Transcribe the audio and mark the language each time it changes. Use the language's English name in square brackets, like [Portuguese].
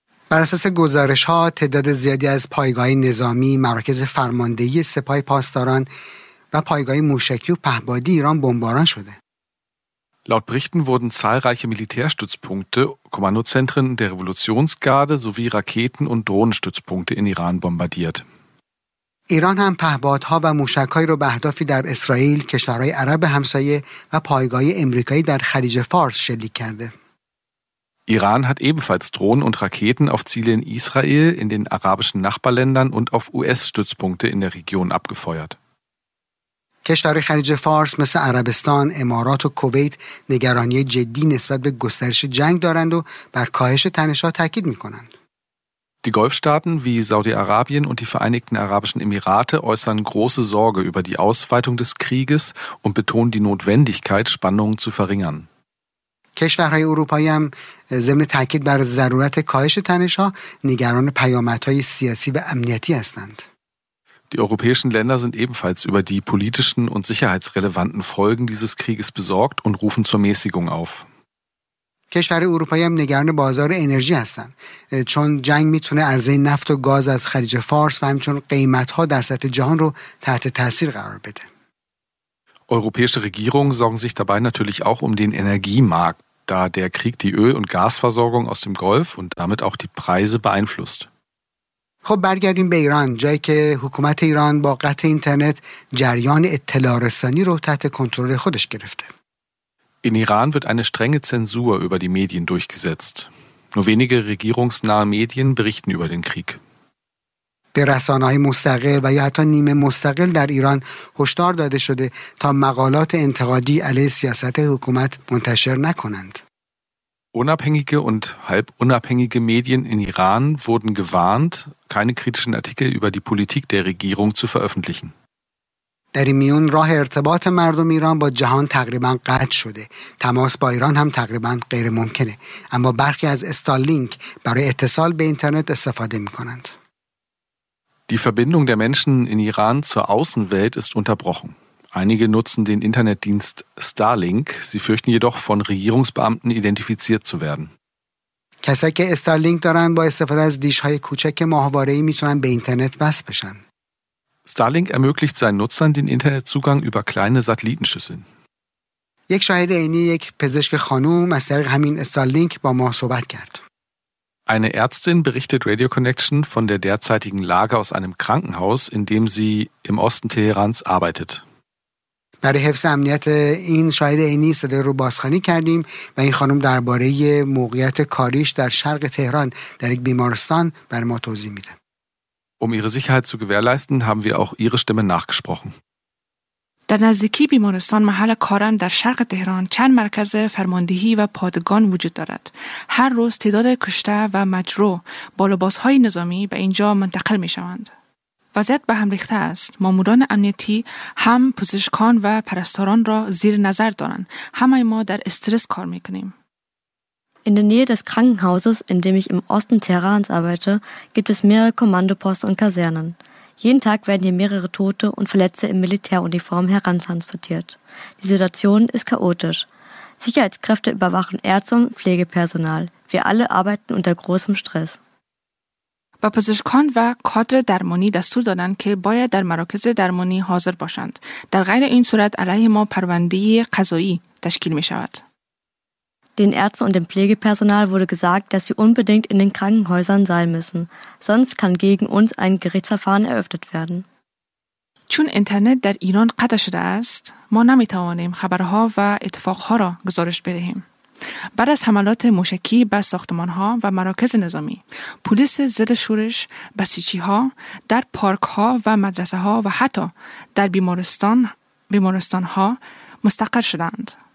[Persian] بر اساس گزارش‌ها تعداد زیادی از پایگاه‌های نظامی، مراکز فرماندهی سپاه پاسداران و پایگاه موشکی و پهپادی ایران بمباران شده. [German] Laut Berichten wurden zahlreiche Militärstützpunkte, Kommandozentren der Revolutionsgarde sowie Raketen- und Drohnenstützpunkte in Iran bombardiert. [Persian] ایران هم پهپادها و موشک‌های را به اهدافی در اسرائیل، کشورهای عرب همسایه و پایگاه آمریکایی در خلیج فارس شلیک کرده. [German] ایران hat ebenfalls Drohnen und Raketen auf Ziele in Israel, in den arabischen Nachbarländern und auf US-Stützpunkte in der Region abgefeuert. [Persian] کشورهای خلیج فارس مثل عربستان، امارات و کویت نگرانی جدی نسبت به گسترش جنگ دارند و بر کاهش تنش‌ها تاکید می‌کنند. [German] Die Golfstaaten wie Saudi-Arabien und die Vereinigten Arabischen Emirate äußern große Sorge über die Ausweitung des Krieges und betonen die Notwendigkeit, Spannungen zu verringern. [Persian] کشورهای اروپایی هم ضمن تاکید بر ضرورت کاهش تنش‌ها نگران پیامدهای سیاسی و امنیتی هستند. [German] Die europäischen Länder sind ebenfalls über die politischen und sicherheitsrelevanten Folgen dieses Krieges besorgt und rufen zur Mäßigung auf. [Persian] کشورهای اروپایی هم نگران بازار انرژی هستند چون جنگ میتونه عرضه نفت و گاز از خلیج فارس و همچنین قیمت‌ها در سطح جهان رو تحت تاثیر قرار بده. [German] Europäische Regierungen sorgen sich dabei natürlich auch um den Energiemarkt, da der Krieg die Öl- und Gasversorgung aus dem Golf und damit auch die Preise beeinflusst. [Persian] خب برگردیم به ایران، جایی که حکومت ایران با قطع اینترنت جریان اطلاع رسانی رو تحت کنترل خودش گرفته. [German] In Iran wird eine strenge Zensur über die Medien durchgesetzt. Nur wenige regierungsnahe Medien berichten über den Krieg. [Persian] به رسانه‌های مستقل و یا حتی نیمه مستقل در ایران هشدار داده شده تا مقالات انتقادی علیه سیاست حکومت منتشر نکنند. [German] Unabhängige und halb unabhängige Medien in Iran wurden gewarnt, keine kritischen Artikel über die Politik der Regierung zu veröffentlichen. [Persian] در این میون راه ارتباط مردم ایران با جهان تقریبا قطع شده. تماس با ایران هم تقریبا غیر ممکنه. اما برخی از استارلینک برای اتصال به اینترنت استفاده میکنند. [German] Die Verbindung der Menschen in Iran zur Außenwelt ist unterbrochen. Einige nutzen den Internetdienst Starlink. Sie fürchten jedoch, von Regierungsbeamten identifiziert zu werden. [Persian] کسایی که استارلینک دارن با استفاده از دیش‌های کوچک ماهواره‌ای میتونن به اینترنت وصل بشن. [German] Starlink ermöglicht seinen Nutzern den Internetzugang über kleine Satellitenschüsseln. [Persian] یک شاهد عینی یک پزشک خانم از طریق همین استارلینک با ما صحبت کرد. [German] Eine Ärztin berichtet Radio Connection von der derzeitigen Lage aus einem Krankenhaus, in dem sie im Osten Teherans arbeitet. [Persian] برای حفظ امنیت این شاهد عینی صدا رو بازخوانی کردیم و این خانم درباره موقعیت کاریش در شرق تهران در یک بیمارستان بر ما توضیح میده. [German] Um ihre Sicherheit zu gewährleisten, haben wir auch ihre Stimme nachgesprochen. [Persian] در نزدیکی بیمارستان محل کارم در شرق تهران چند مرکز فرماندهی و پادگان وجود دارد. هر روز تعداد کشته و مجروح با لباس‌های نظامی به اینجا منتقل می‌شوند. وضعیت به هم ریخته است. ماموران امنیتی هم پزشکان و پرستاران را زیر نظر دارند. همه ما در استرس کار می‌کنیم. [German] In der Nähe des Krankenhauses, in dem ich im Osten Teherans arbeite, gibt es mehrere Kommandoposten und Kasernen. Jeden Tag werden hier mehrere Tote und Verletzte in Militäruniform herantransportiert. Die Situation ist chaotisch. Sicherheitskräfte überwachen Ärzte und Pflegepersonal. Wir alle arbeiten unter großem Stress. [Persian] با پزشکان و کادر درمانی دستور دادند که باید در مراکز درمانی حاضر باشند. در غیر این صورت علیه ما پرونده قضایی تشکیل می شود. [German] Den Ärzten und dem Pflegepersonal wurde gesagt, dass sie unbedingt in den Krankenhäusern sein müssen. Sonst kann gegen uns ein Gerichtsverfahren eröffnet werden. [Persian] چون اینترنت در ایران قطع شده است، ما نمیتوانیم خبرها و اتفاقها را گزارش بدهیم. بعد از حملات موشکی به ساختمانها و مراکز نظامی، پلیس ضد شورش، بسیجی‌ها در پارک‌ها و مدرسه‌ها و حتی در بیمارستان‌ها مستقر شدند.